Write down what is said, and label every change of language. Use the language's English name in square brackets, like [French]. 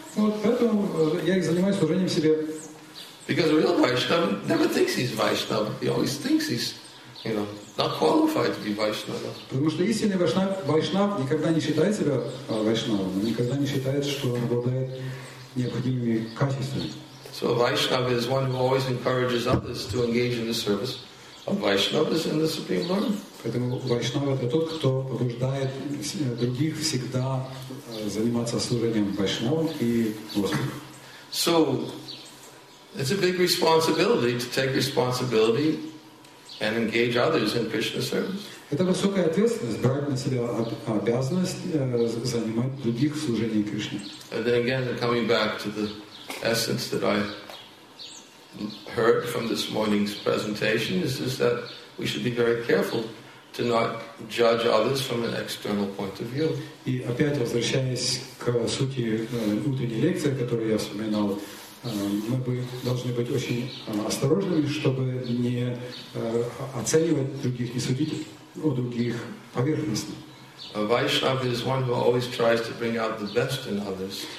[Russian] Вот поэтому я их занимаюсь служением себе. [English] Because a real vaishnava never thinks he's vaishnava. He always thinks he's, not qualified to be vaishnava. [Russian] Потому что истинный вайшнав никогда не считает себя вайшнавом, никогда не считает, что он обладает необходимыми качествами. [English] So a Vaishnava is one who always encourages others to engage in the service of Vaishnavas and the Supreme Lord. [Russian] Поэтому Вайшнава — это тот, кто побуждает других всегда заниматься служением Вайшнавам и Господу. [English] So it's a big responsibility to take responsibility and engage others in Krishna service. [Russian] Это высокая ответственность — брать на себя обязанность занимать других в служении Кришне. [English] And then again, coming back to the essence that I heard from this morning's presentation is that we should be very careful to not judge others from an external point of view. [Russian] И опять возвращаясь к сути утренней лекции, которую я вспоминал, мы должны быть очень осторожными, чтобы не оценивать других, не судить о других поверхностно. [English] A Vaishnava is one who always tries to bring out the best in others.